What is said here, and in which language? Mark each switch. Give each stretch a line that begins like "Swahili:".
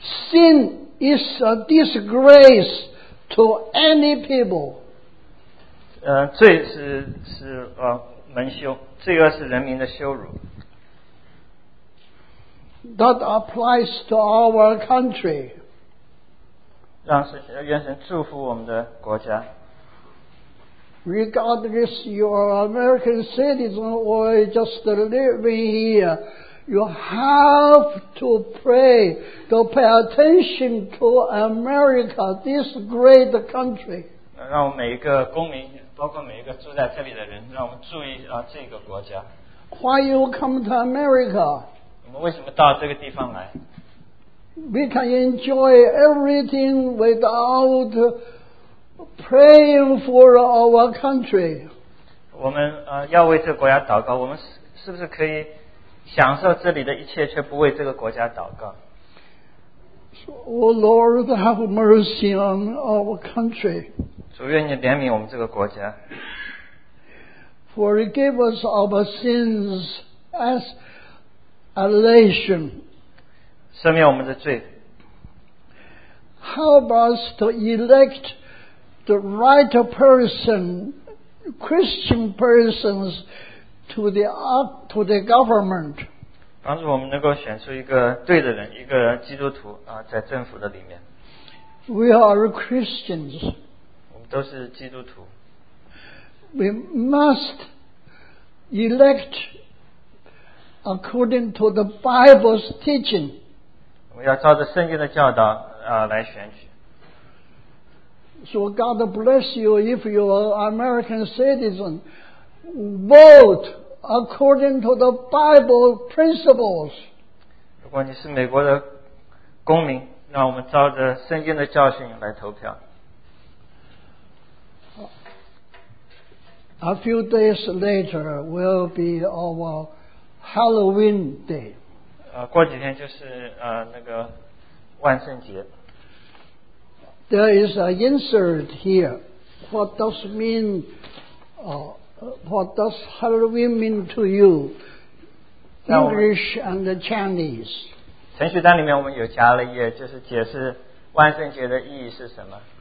English: Sin is a disgrace to any people.
Chinese: 罪是蒙羞，罪恶是人民的羞辱。
English: That applies to our country.
Chinese: 让神愿神祝福我们的国家。
English: Regardless you are American citizen or just living here, you have to pray to pay attention to America, this great country.
Chinese: 让我们每一个公民，包括每一个住在这里的人，让我们注意这个国家。
English: Why you come to America?
Chinese: 我们为什么到这个地方来？
English: We can enjoy everything without... Praying for our country.
Chinese: 我们要为这个国家祷告。我们是不是可以享受这里的一切，却不为这个国家祷告
English: ？Oh Lord, have mercy on our country.
Chinese: 主，愿你怜悯我们这个国家。
English: Forgive us our sins as a nation.
Chinese: 赦免我们的罪。
English: Help us to elect. The right person, Christian persons, to the government.
Chinese: 帮助我们能够选出一个对的人，一个基督徒在政府的里面。
English: We are Christians.
Chinese: 我们都是基督徒。
English: We must elect according to the Bible's teaching.
Chinese: 我们要照着圣经的教导来选举。
English: So God bless you if you are an American citizen. Vote according to the Bible principles.
Chinese: 如果你是美国的公民，让我们照着圣经的教训来投票。
English: A few days later will be our Halloween day.
Chinese: 过几天就是那个万圣节。
English: There is an insert here. What does mean, what does Halloween mean to you? English and the Chinese.
Chinese: 程序单里面我们有加了一页，就是解释万圣节的意义是什么。